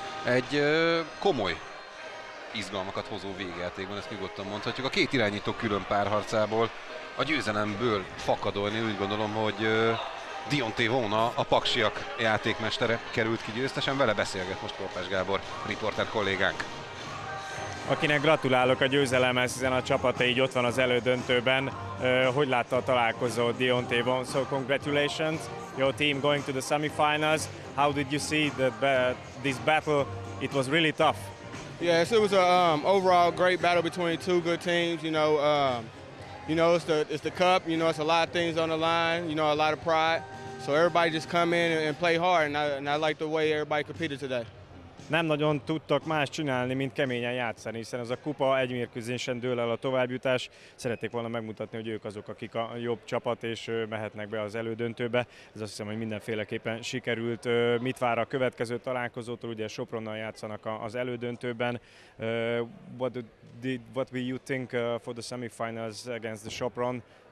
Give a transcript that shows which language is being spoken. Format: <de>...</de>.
<hu>Egy komoly izgalmakat hozó végjátékban, ezt nyugodtan mondhatjuk. A két irányító külön párharcából, a győzelemből fakadolni, úgy gondolom, hogy Deonté Vaughn a paksiak játékmestere került ki győztesen. Vele beszélget most Korpás Gábor, riporter kollégánk. Akinek gratulálok a győzelemhez, hiszen a csapata így ott van az elődöntőben. Hogy látta a találkozót, Deonté Vaughn?</hu> <en>So congratulations, your team going to the semifinals. How did you see this battle? It was really tough. Yes, it was a overall great battle between two good teams. You know, it's the cup. You know, it's a lot of things on the line. You know, a lot of pride. So everybody just come in and play hard, and I like the way everybody competed today.</en> <hu>Nem nagyon tudtak más csinálni, mint keményen játszani, hiszen ez a kupa egy mérkőzésen dől el a továbbjutás. Szeretnék volna megmutatni, hogy ők azok, akik a jobb csapat, és mehetnek be az elődöntőbe. Ez azt hiszem, hogy mindenféleképpen sikerült. Mit vár a következő találkozótól? Ugye Sopronnal játszanak az elődöntőben.</hu> <en>What do you think for the semifinals against the Sopron?</en>